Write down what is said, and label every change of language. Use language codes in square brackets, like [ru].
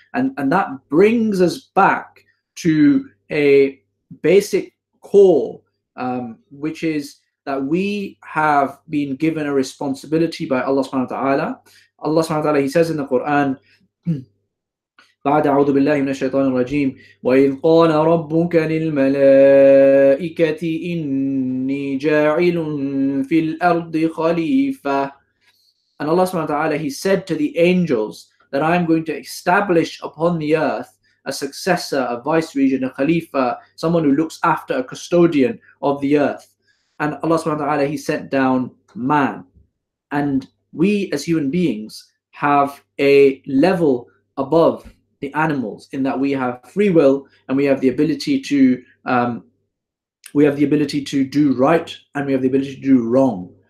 [en] And that brings us back to a basic core, which is that we have been given a responsibility by Allah subhanahu wa ta'ala. Allah subhanahu wa ta'ala, he says in the Quran, [ar] بعد أعوذ بالله من الشيطان الرجيم وإذ قال ربك للملائكة إني جاعل في الأرض خليفة. [en] And Allah subhanahu wa ta'ala, he said to the angels that I am going to establish upon the earth a successor, a vice regent, a khalifa, someone who looks after, a custodian of the earth. And Allah subhanahu wa ta'ala, he sent down man. And we as human beings have a level above the animals in that we have free will, and we have the ability to do right, and we have the ability to do wrong.